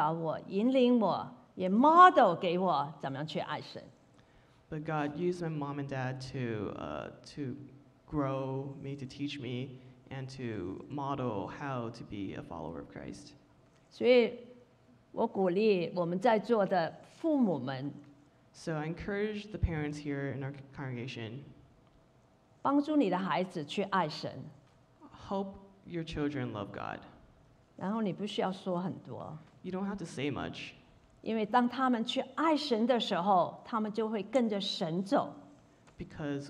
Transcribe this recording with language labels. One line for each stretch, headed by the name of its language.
Chinese: 但是上帝借着我的父母，帮助我，教导我，引领我，也 model 给我怎么样去爱神。
English: But God used my mom and dad to grow me, to teach me, and to model how to be a follower of Christ.
Chinese: 所以我鼓励我们在座的父母们,
English: So I encourage the parents here in our congregation,
Chinese: 帮助你的孩子去爱神,
English: Help your children love God.
Chinese: 然后你不需要说很多,
English: You don't have to say much.
Chinese: 因为当他们去爱神的时候，他们就会跟着神走。
English: Because